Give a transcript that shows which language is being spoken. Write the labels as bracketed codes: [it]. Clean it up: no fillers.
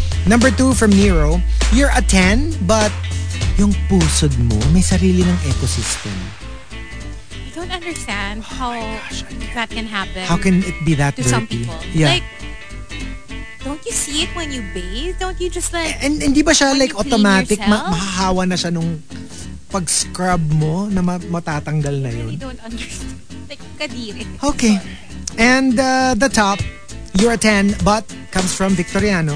[en] Number 2 from Nero. You're a 10, but [tl] yung pusod mo may sarili ng ecosystem. [en] I don't understand that can happen. How can it be that to dirty? Some people. Yeah. Like, don't you see it when you bathe? Don't you just like... [tl] And hindi ba siya like automatic, mahahawa na siya nung pag-scrub mo na matatanggal na yun? [en] I don't understand. Like, kadiri. Okay. And the top, you're a 10, but comes from Victoriano.